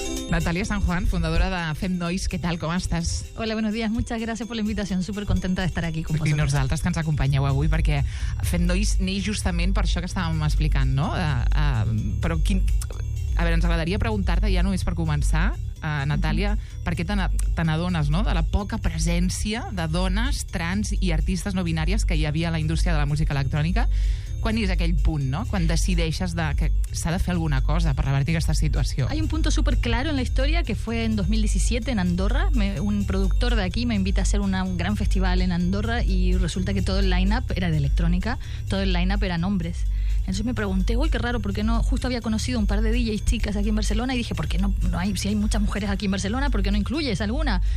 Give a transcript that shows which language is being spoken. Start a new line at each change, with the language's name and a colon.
Spanish: Natalia San Juan, fundadora de Fem Nois, ¿qué tal? ¿Cómo estás? Hola, buenos días. Muchas gracias por la invitación. Súper contenta de estar aquí con vosotros.
Catalan: I nosaltres que ens acompanyeu avui, perquè Fem Nois neix justament per això que estàvem explicant, no? Però quin... A veure, ens agradaria preguntar-te, ja només per començar, Natalia, per què te n'adones, no?, de la poca presència de dones, trans i artistes no binàries que hi havia a la indústria de la música electrònica. Quan és aquell punt, no?, quan decideixes que s'ha de fer alguna cosa per revertir aquesta situació.
Spanish: Hay un punto súper claro en la historia que fue en 2017 en Andorra. Un productor de aquí me invita a hacer un gran festival en Andorra y resulta que todo el line-up era de electrónica, todo el line-up eran hombres. Entonces me pregunté, uy, qué raro, ¿por qué no? Justo había conocido un par de DJs chicas aquí en Barcelona y dije, ¿por qué no hay, si hay muchas mujeres aquí en Barcelona, ¿por qué no incluyes alguna?